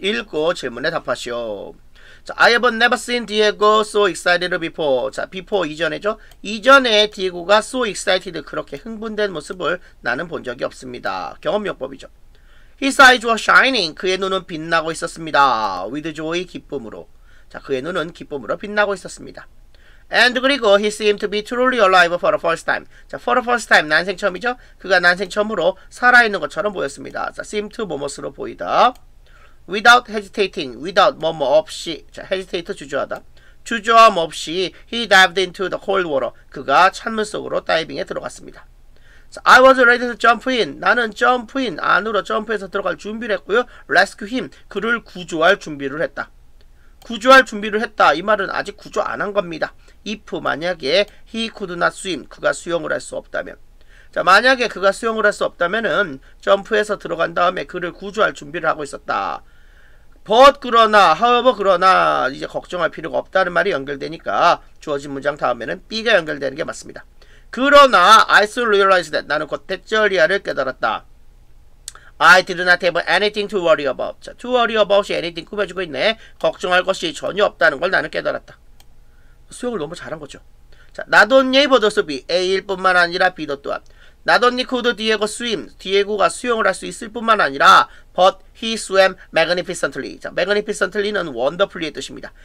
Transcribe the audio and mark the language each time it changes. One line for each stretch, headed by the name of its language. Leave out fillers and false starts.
Korean: 읽고 질문에 답하시오.
English: So, I have never seen Diego so excited before.
Korean: 자, before 이전에죠? 이전에 Diego가
English: so excited,
Korean: 그렇게 흥분된 모습을 나는 본 적이 없습니다. 경험요법이죠.
English: His eyes were shining.
Korean: 그의 눈은 빛나고 있었습니다.
English: With joy,
Korean: 기쁨으로. 자, 그의 눈은 기쁨으로 빛나고 있었습니다.
English: And
Korean: 그리고
English: he seemed to be truly alive for the first time. 자, for the first time,
Korean: 난생 처음이죠? 그가 난생 처음으로 살아있는 것처럼 보였습니다. 자, seemed to 뭐뭐스로 보이다.
English: Without hesitating,
Korean: without 뭐뭐 없이, 자, hesitate 주저하다. 주저함 없이,
English: he dived into the cold water.
Korean: 그가 찬물 속으로 다이빙에 들어갔습니다.
English: So, I was ready to jump in.
Korean: 나는 jump in, 안으로 점프해서 들어갈 준비를 했고요.
English: Rescue him,
Korean: 그를 구조할 준비를 했다. 구조할 준비를 했다. 이 말은 아직 구조 안 한 겁니다. If 만약에
English: he could not swim,
Korean: 그가 수영을 할 수 없다면. 자, 만약에 그가 수영을 할 수 없다면은 점프해서 들어간 다음에 그를 구조할 준비를 하고 있었다. But 그러나, however 그러나 이제 걱정할 필요가 없다는 말이 연결되니까 주어진 문장 다음에는 B가 연결되는 게 맞습니다. 그러나
English: I soon realized that
Korean: 나는 곧 대절이야를 깨달았다.
English: I did not have anything to worry about.
Korean: 자, to worry about이 anything 꾸며주고 있네. 걱정할 것이 전혀 없다는 걸 나는 깨달았다. 수영을 너무 잘한 거죠. 자,
English: not only able to swim,
Korean: A일 뿐만 아니라 B도 또한.
English: Not only could Diego swim,
Korean: Diego가 수영을 할 수 있을 뿐만 아니라,
English: but he swam magnificently.
Korean: 자, magnificently는 wonderfully의 뜻입니다.